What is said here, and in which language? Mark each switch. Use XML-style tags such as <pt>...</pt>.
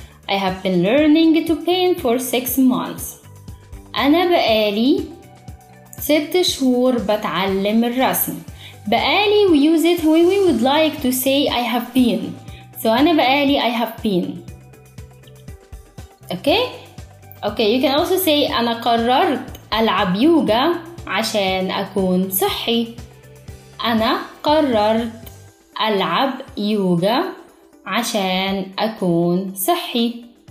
<en>I have been learning to paint for 6 months.</en> <ar>أنا بقالي 6 شهور بتعلم الرسم. بقالي,</ar> <en>we use it when we would like to say I have been. So</en> <ar>أنا بقالي,</ar> <en>I have been. Okay? Okay, you can also say</en> <ar>أنا قررت ألعب يوغا عشان أكون صحي. أنا قررت ألعب يوغا عشان أكون صحي.</ar>